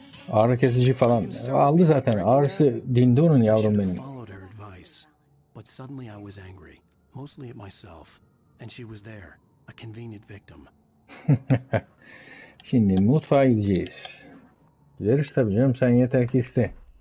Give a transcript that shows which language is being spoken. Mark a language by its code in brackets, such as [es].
[tr] Ağrı kesici falan aldı zaten. Ağrısı dindi onun, yavrum benim. [en] Followed her advice, but suddenly I was angry, mostly at myself, and she was there, a convenient victim. [tr] Şimdi mutfağa gideceğiz. Yarış tabii canım, sen yeter ki iste.